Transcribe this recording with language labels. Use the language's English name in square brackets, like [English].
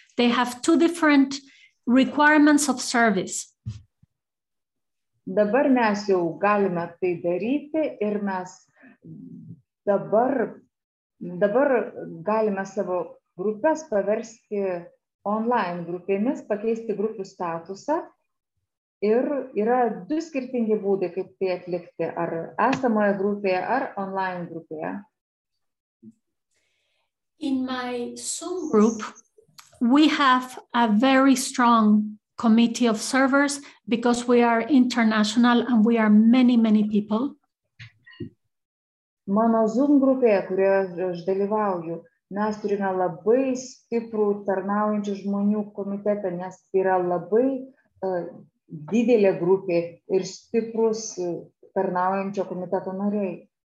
[English] They have 2 different requirements of service. [Lithuanian] Dabar mes jau galime tai daryti ir mes dabar galime savo grupės paversti online grupėmis, pakeisti grupių statusą. Ir yra 2 skirtingi būdai, kaip tai atlikti, ar esamoje grupėje, ar online grupėje. [English] In my Zoom group, we have a very strong committee of servers because we are international and we are many, many people. [Lithuanian] Mano Zoom grupėje, kurioje aš dalyvauju, mes turime labai stiprų tarnaujančių žmonių komitetą, nes yra labai didelė grupė ir stiprus tarnaujančio komiteto nariai.